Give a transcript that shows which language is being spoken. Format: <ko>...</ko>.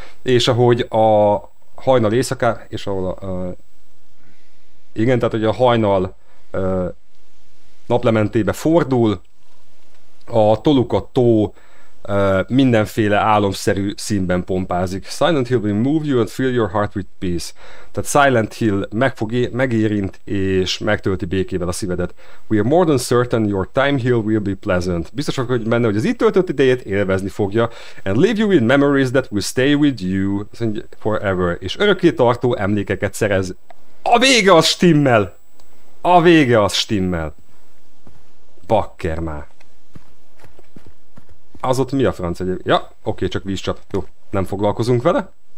<hu>És ahogy a hajnal éjszaká, és ahol a... igen, tehát hogy a hajnal naplementébe fordul, a Toluca tó mindenféle álomszerű színben pompázik.</hu> <en>Silent Hill will move you and fill your heart with peace.</en> <hu>Tehát Silent Hill megérint és megtölti békével a szívedet.</hu> <en>We are more than certain your time here will be pleasant.</en> <hu>Biztos vagyok benne, hogy az itt töltött idejét élvezni fogja.</hu> <en>And leave you in memories that will stay with you forever.</en> <hu>És örökké tartó emlékeket szerez. A vége az stimmel! A vége az stimmel! Bakker már! Az ott mi a franc egyéb? Ja, oké, csak vízcsap. Jó, nem foglalkozunk vele.</hu>